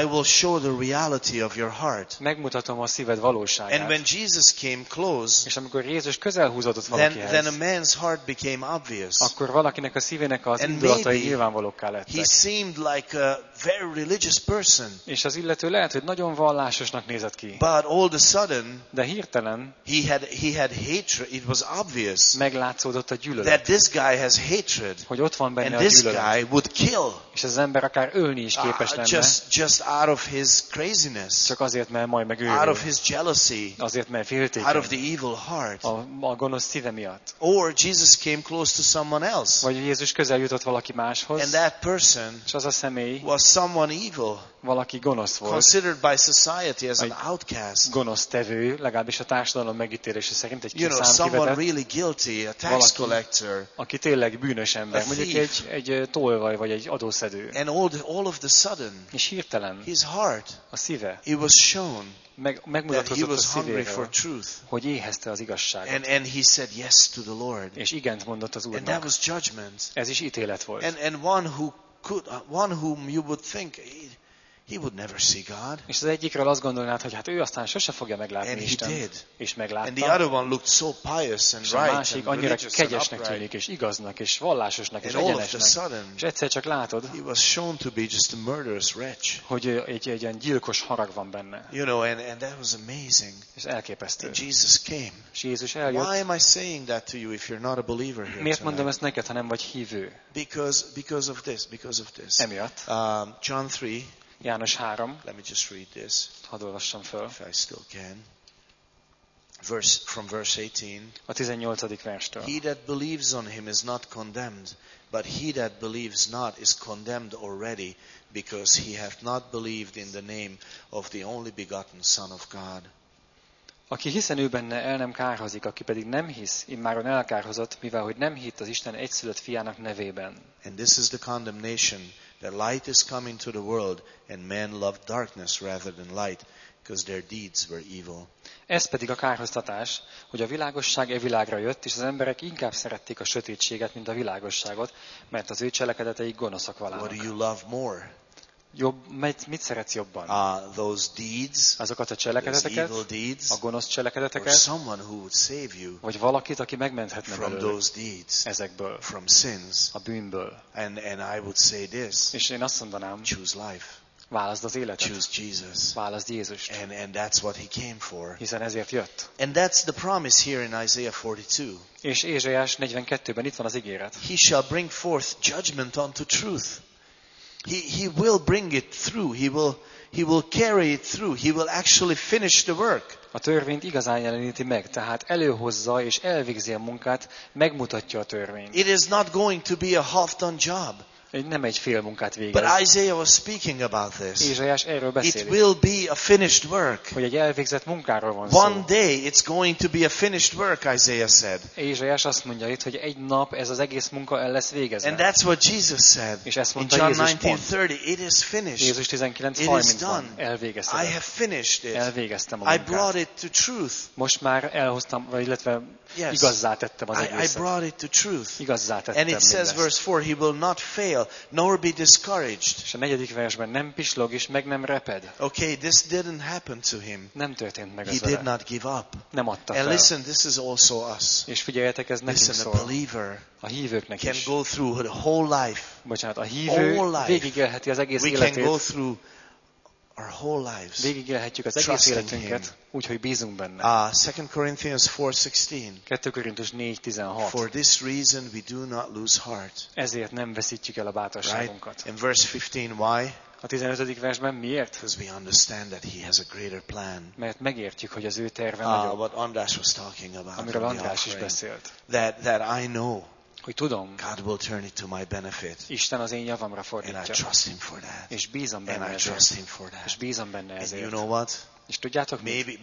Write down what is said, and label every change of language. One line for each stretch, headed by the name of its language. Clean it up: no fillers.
English: I will show the reality of your heart.
Hungarian: Megmutatom a szíved valóságát.
English: And when Jesus came close.
Hungarian: És amikor Jézus közel húzódott valakihez.
English: Then a man's heart became obvious.
Hungarian: Akkor valakinek a szívének az indulatai nyilvánvalókká lettek.
English: He seemed like a very religious person.
Hungarian: És az illető lehet, hogy nagyon vallásosnak nézett ki.
English: But all of a sudden,
Hungarian: de hirtelen,
English: he had hatred. It was obvious.
Hungarian: Meglátszódott a gyűlölet.
English: That this guy has hatred.
Hungarian: Hogy ott van benne a gyűlölet.
English: And this guy would kill.
Hungarian: És ez az ember akár ölni is képes lenne.
English: Just out of his craziness.
Hungarian: Csak azért, mert majd megőrül.
English: Out of his jealousy.
Hungarian: Azért, mert féltékeny.
English: Out of the evil heart.
Hungarian: A gonosz szíve miatt.
English: Or Jesus came close to someone else.
Hungarian: Vagy Jézus közel jutott valaki máshoz.
English: And that person,
Hungarian: és az a személy,
English: was someone evil.
Hungarian: Valaki gonosz volt.
English: Considered by society as an outcast.
Hungarian: Gonosz tevő, legalábbis a társadalom megítélése szerint egy kiszámkivetett.
English: You know, someone really guilty, a tax collector.
Hungarian: Aki tényleg bűnös ember, mondjuk egy tolvaj vagy egy adószedő.
English: And all of the sudden,
Hungarian: és hirtelen,
English: his heart,
Hungarian: a szíve,
English: it was shown.
Hungarian: Megmutatott a szívéről, hogy éhezte az igazságot.
English: And he said yes to the Lord.
Hungarian: És igent mondott az Úrnak.
English: And that was judgment.
Hungarian: Ez is ítélet volt.
English: And one who could, one whom you would think he would never see God.
Hungarian: És az egyikről azt gondolnád, hogy hát ő aztán sose fogja meglátni
English: and
Hungarian: Istent.
English: He did.
Hungarian: És meglátta.
English: And the other one looked so pious and right.
Hungarian: És a másik annyira kegyesnek tűnik, és igaznak, és vallásosnak,
English: and
Hungarian: és egyenesnek. És egyszer csak látod,
English: he was shown to be just a murderous wretch.
Hungarian: Hogy egy ilyen gyilkos harag van benne.
English: You know, and that was amazing.
Hungarian: És elképesztő.
English: And Jesus came.
Hungarian: És Jézus eljött.
English: Why am I saying that to you if you're not a believer here?
Hungarian: Miért mondom ezt neked, ha nem vagy hívő?
English: Because of this.
Hungarian: Emiatt.
English: John 3.
Hungarian: János 3.
English: Let me just read this.
Hungarian: Hadd olvassam föl.
English: If I still can. From verse 18.
Hungarian: A 18. verstől.
English: He that believes on him is not condemned, but he that believes not is condemned already, because he hath not believed in the name of the only begotten Son of God.
Hungarian: Aki hiszen ő benne, el nem kárhozik, aki pedig nem hisz, immáron elkárhozott, mivel hogy nem hitt az Isten egyszülött fiának nevében.
English: And this is the condemnation. The light is coming to the world, and men love darkness rather than light, because their deeds were evil.
Hungarian: Ez pedig a kárhoztatás, hogy a világosság e világra jött, és az emberek inkább szerették a sötétséget, mint a világosságot, mert az ő cselekedeteik gonoszak valának.
English: What do you love more?
Hungarian: Jobb, mit szeretsz jobban?
English: Those deeds,
Hungarian: azokat a cselekedeteket,
English: those evil deeds,
Hungarian: a gonosz cselekedeteket,
English: or someone who would save you,
Hungarian: vagy valakit, aki megmenthetne
English: from
Hungarian: belőle,
English: those deeds,
Hungarian: ezekből,
English: from sins,
Hungarian: a bűnből.
English: And I would say this,
Hungarian: és én azt mondanám,
English: choose life.
Hungarian: Válaszd az életet.
English: Choose Jesus.
Hungarian: Válaszd Jézust.
English: And that's what he came for.
Hungarian: Hiszen ezért jött.
English: And that's the promise here in Isaiah 42.
Hungarian: És Ézsaiás 42-ben itt van az ígéret.
English: He shall bring forth judgment unto truth. He will bring it through. He will carry it through. He will actually finish the work.
Hungarian: A törvényt igazán jeleníti meg, tehát előhozza és elvégzi a munkát, megmutatja a törvényt.
English: It is not going to be a half-done job.
Hungarian: Nem egy fél munkát végez.
English: But Isaiah was speaking about this.
Hungarian: Ézsaiás erről beszél.
English: It will be a finished work.
Hungarian: Hogy egy elvégzett munkáról van szó.
English: One day it's going to be a finished work, Isaiah said.
Hungarian: Ézsaiás azt mondja itt, hogy egy nap ez az egész munka el lesz végezve.
English: And that's what Jesus said.
Hungarian: És ezt mondta Jézus pont.
English: In John 19:30, it is finished.
Hungarian: Jézus 19:30-ban elvégeztem.
English: I have finished it.
Hungarian: Elvégeztem a munkát.
English: I brought it to truth.
Hungarian: Most már elhoztam, vagy illetve
English: yes,
Hungarian: igazzá tettem az egészet.
English: I brought it to truth.
Hungarian: Igazzá tettem.
English: And it says verse 4, he will not fail. nor be discouraged.
Hungarian: És a negyedik versben nem pislog és meg nem reped.
English: Okay, this didn't happen to him.
Hungarian: Nem történt meg az vele.
English: He did not give up.
Hungarian: Nem adta fel.
English: And listen, this is also us.
Hungarian: És figyeljetek, ez nekünk szól.
English: a believer
Hungarian: a hívőknek
English: can
Hungarian: is
English: go through the whole life.
Hungarian: Bocsánat, a hívő végigélheti az egész
English: we
Hungarian: életét.
English: We can go through our whole lives.
Hungarian: Végigélhetjük az egész életünket, úgyhogy bízunk benne.
English: 2 Corinthians 4:16. For this reason we do not lose heart.
Hungarian: Ezért nem veszítjük el a bátorságunkat.
English: Right? In verse 15, why?
Hungarian: A 15. versben miért?
English: Because we understand that he has a greater plan.
Hungarian: Mert megértjük, hogy az ő terve nagyobb.
English: What András was talking about.
Hungarian: Amiről András is beszélt.
English: That I know.
Hungarian: Hogy tudom,
English: God will turn it to my benefit.
Hungarian: Isten az én javamra fordítja.
English: And I trust him for that.
Hungarian: És bízom benne ezért. És bízom benne ezért.
English: And you know what?
Hungarian: És tudjátok mit?